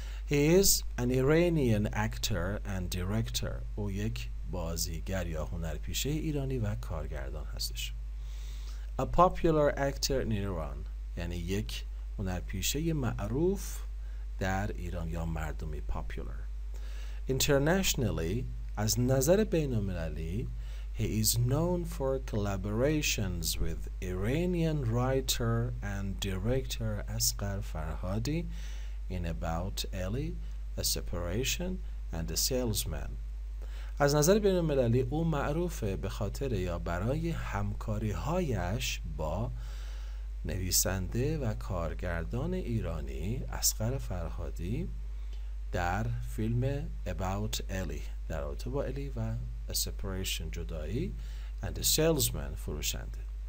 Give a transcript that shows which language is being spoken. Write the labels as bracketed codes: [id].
[en] he is an Iranian actor and director. [fa] او یک بازیگر یا هنرپیشه ایرانی و کارگردان هستش. [en] A popular actor in Iran [fa] یعنی یک هنرپیشه معروف در ایران یا مردمی popular. [en] Internationally [fa] از نظر بین‌المللی [en] he is known for collaborations with Iranian writer and director Asghar Farhadi in About Ali, A Separation and A Salesman. [fa] از نظر بین‌المللی او معروفه به خاطر یا برای همکاری‌هایش با نویسنده و کارگردان ایرانی اصغر فرهادی در فیلم About Ellie، در رابطه با Ellie و A Separation، جدایی، and A Salesman، فروشنده.